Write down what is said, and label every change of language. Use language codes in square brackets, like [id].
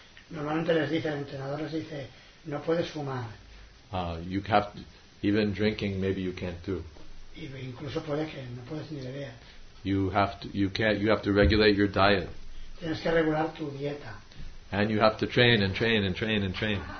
[es] Normalmente les dice, el entrenador les dice, no puedes fumar. [en] You have to, even drinking maybe you can't do. [es] Y incluso puede que no puedes ni beber. [en] You have to regulate your diet. [es] Tienes que regular tu dieta. [en] And you have to train and train and train and train.